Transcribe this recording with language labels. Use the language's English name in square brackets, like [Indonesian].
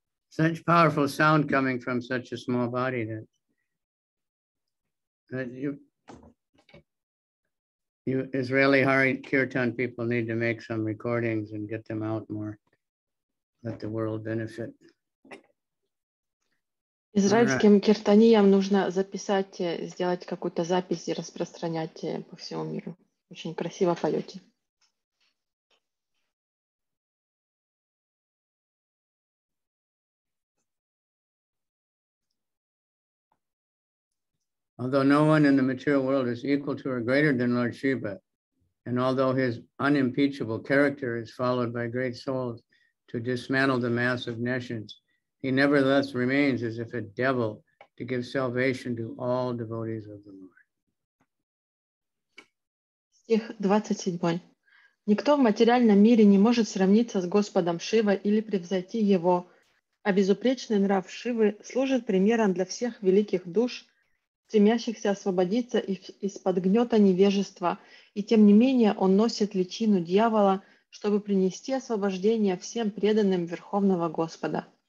[English] Such powerful sound coming from such a small body that you Israeli Hari Kirtan people need to make some recordings and get them out more. Let the world benefit. [Russian] Израильским киртаниям нужно записать, сделать какую-то запись и распространять по всему миру. Очень красиво поете. [English] Although no one in the material world is equal to or greater than Lord Shiva, and although his unimpeachable character is followed by great souls to dismantle the mass of nations, he nevertheless remains as if a devil to give salvation to all devotees of the Lord. [Russian] Стих 27. Никто в материальном мире не может сравниться с Господом Шива или превзойти его, а безупречный нрав Шивы служит примером для всех великих душ, стремящихся освободиться из-под гнета невежества, и тем не менее он носит личину дьявола, чтобы принести освобождение всем преданным Верховного Господа.